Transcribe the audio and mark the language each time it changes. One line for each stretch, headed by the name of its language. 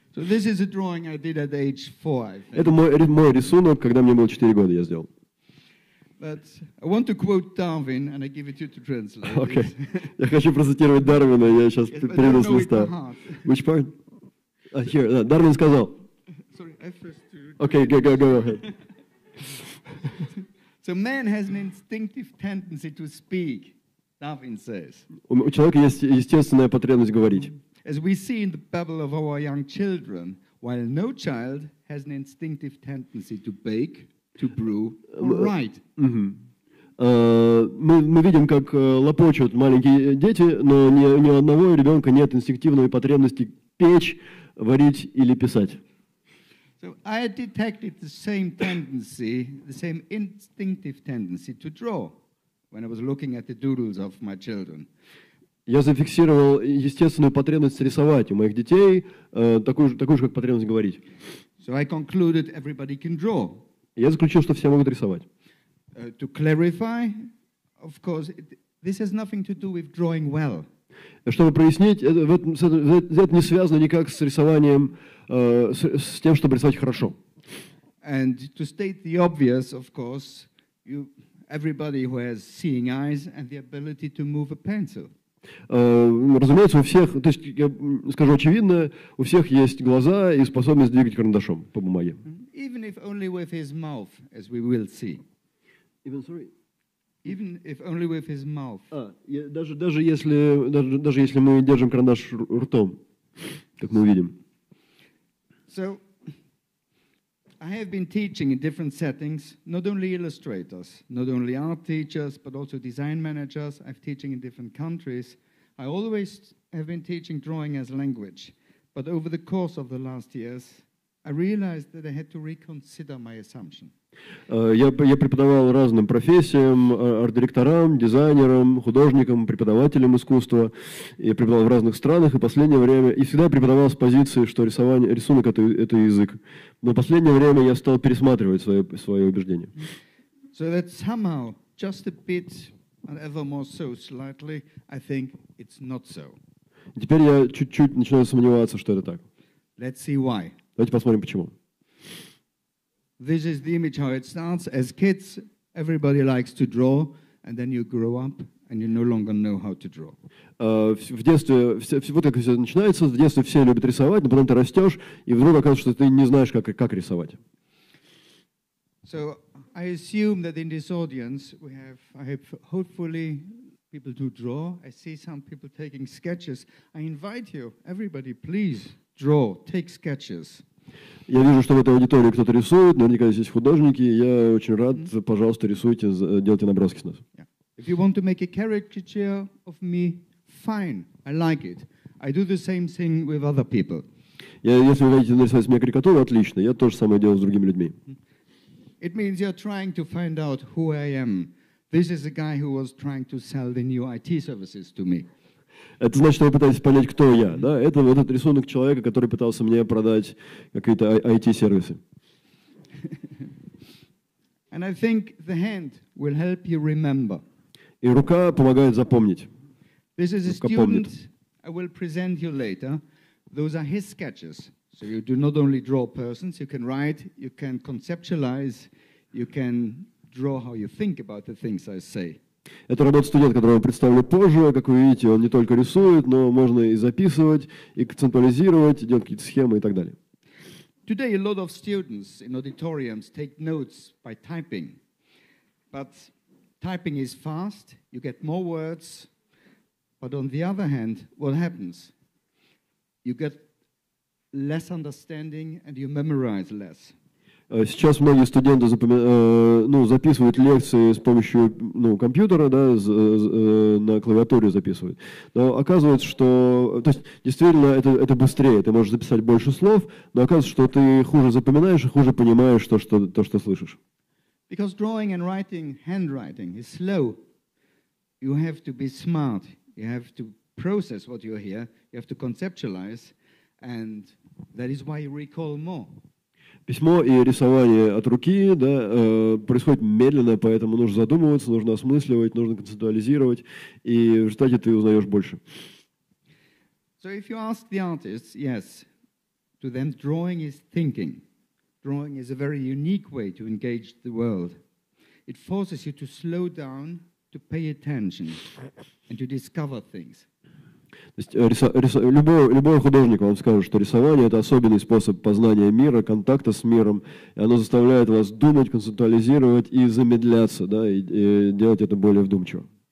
English: So this is a drawing I did at age 4, I think.
Russian: Это мой рисунок, когда мне было 4 года, я сделал.
English: But I want to quote Darwin, and I give it to you to translate. Okay.
Russian: Я хочу процитировать Дарвина, я сейчас перейду с листа.
English: Which part? Here,
Russian: Дарвин сказал.
English: Sorry, I first to... Okay, go ahead. So man has an instinctive tendency to speak, Darwin says.
Russian: У человека есть естественная потребность говорить.
English: As we see in the babble of our young children, while no child has an instinctive tendency to bake, to brew, or write.
Russian: Мы видим, как лопочут маленькие дети, но ни у одного ребенка нет инстинктивной потребности печь, варить или писать.
English: So I had detected the same tendency, the same instinctive tendency to draw when I was looking at the doodles of my children.
Russian: Я зафиксировал естественную потребность рисовать у моих детей, такую же, как потребность говорить.
English: So I concluded everybody can draw.
Russian: Я заключил, что все могут рисовать.
English: To clarify, of course, this has nothing to do with drawing well.
Russian: Чтобы прояснить, это не связано никак с рисованием, с тем, чтобы рисовать хорошо.
English: And to state the obvious, of course, you, everybody who has seeing eyes and the ability to move a pencil.
Russian: Разумеется, у всех, то есть я скажу очевидно, у всех есть глаза и способность двигать карандашом по бумаге.
English: Even if only with his mouth, as we will see. Even, sorry. Even if only with his mouth.
Russian: Даже если мы держим карандаш ртом. как мы видим.
English: So, I have been teaching in different settings, not only illustrators, not only art teachers, but also design managers. I've teaching in different countries. I always have been teaching drawing as language, but over the course of the last years, I realized that I had to reconsider my assumption.
Russian: Я преподавал разным профессиям, арт-директорам, дизайнерам, художникам, преподавателям искусства. Я преподавал в разных странах и последнее время, и всегда преподавал с позиции, что рисование, рисунок это язык. Но в последнее время я стал пересматривать свои убеждения.
English: So that somehow, just a bit, and ever more so slightly, I think it's not so.
Russian: Теперь я чуть-чуть начинаю сомневаться, что это так.
English: Let's see why.
Russian: Давайте посмотрим, почему.
English: This is the image how it starts. As kids, everybody likes to draw, and then you grow up, and you no longer know how to draw.
Russian: В детстве все вот как все начинается. В детстве все любят рисовать, но потом ты растешь, и вдруг оказывается, что ты не знаешь, как рисовать.
English: So I assume that in this audience we have, I hope, hopefully, people who draw. I see some people taking sketches. I invite you, everybody, please draw, take sketches.
Russian: Я вижу, что в этой аудитории кто-то рисует, наверняка здесь художники, и я очень рад, пожалуйста, рисуйте, делайте наброски с нас.
English: If you want to make a caricature of me, fine, I like it. I do the same thing with other people.
Russian: Если вы хотите нарисовать с меня карикатуру, отлично, я то же самое делаю с другими людьми.
English: It means you're trying to find out who I am. This is a guy who was trying to sell the new IT services to me.
Russian: Это значит, что вы пытаетесь понять, кто я. Да? Это вот этот рисунок человека, который пытался мне продать какие-то IT-сервисы.
English: And I think the hand will help you remember.
Russian: И рука помогает запомнить.
English: This is a student I will present you later. Those are his sketches. So you do not only draw persons, you can write, you can conceptualize, you can draw how you think about the things I say.
Russian: Это работа студента, которую я представлю позже. Как вы видите, он не только рисует, но можно и записывать, и концептуализировать, и делать какие-то схемы и так далее.
English: Today a lot of students in auditoriums take notes by typing. But typing is fast, you get more words. But on the other hand, what happens? You get less understanding and you memorize less.
Russian: Сейчас многие студенты записывают лекции с помощью компьютера, да, на клавиатуре записывают. Но оказывается, что... То есть, действительно, это быстрее. Ты можешь записать больше слов, но оказывается, что ты хуже запоминаешь и хуже понимаешь то, что слышишь.
English: Because drawing and writing, handwriting is slow. You have to be smart. You have to process what you hear. You have to conceptualize. And that is why you recall more.
Russian: Письмо и рисование от руки, да, происходит медленно, поэтому нужно задумываться, нужно осмысливать, нужно концептуализировать, и в результате ты узнаешь больше.
English: So if you ask the artists, yes, to them drawing is thinking. Drawing is a very unique way to engage the world. It forces you to slow down, to pay attention, and to discover things.
Russian: То есть любой художник вам скажет, что рисование – это особенный способ познания мира, контакта с миром, и оно заставляет вас думать, концептуализировать и замедляться, да, и делать это более вдумчиво.